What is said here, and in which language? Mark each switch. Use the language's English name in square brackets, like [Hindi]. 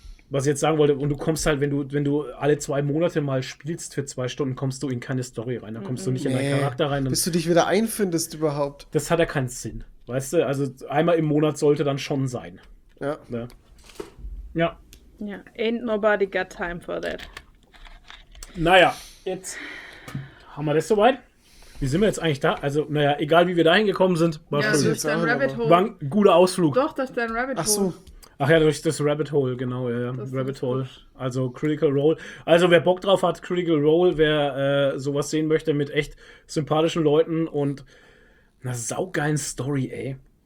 [German] Was ich jetzt sagen wollte, und du kommst halt, wenn du alle 2 Monate mal spielst für 2 Stunden, kommst du in keine Story rein. Dann kommst du nicht in deinen Charakter rein. Bis du dich wieder einfindest überhaupt. Das hat ja keinen Sinn. Weißt du, also einmal im Monat sollte dann schon sein. Ja. Ja. Ja. Ja. [English] Ain't nobody got time for that. [German] Naja, jetzt haben wir das soweit. Wie sind wir jetzt eigentlich da? Also, naja, egal wie wir da hingekommen sind, war ja, schon durch dein Rabbit Hole. War ein guter Ausflug. Doch, durch dein Rabbit Hole. Ach so. Ach ja, durch das Rabbit Hole, genau. Ja. Rabbit Hole. Also Critical Role. Also, wer Bock drauf hat, Critical Role, wer sowas sehen möchte mit echt sympathischen Leuten und eine saugeilen Story, ey.